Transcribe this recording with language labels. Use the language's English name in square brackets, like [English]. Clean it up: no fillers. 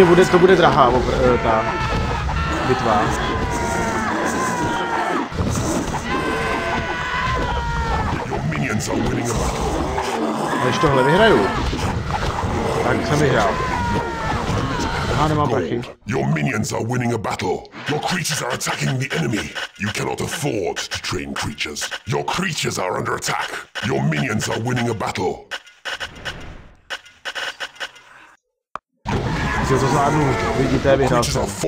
[Czech] To bude drahá ta bitva. A když tohle vyhraju, tak jsem vyhrál. [English] Your minions are winning a battle. Your creatures are attacking the enemy. You cannot afford to train creatures. Your creatures are under attack. Your minions are winning a battle. [Czech] Já to zvládnu, vidíte, vyhrál jsem.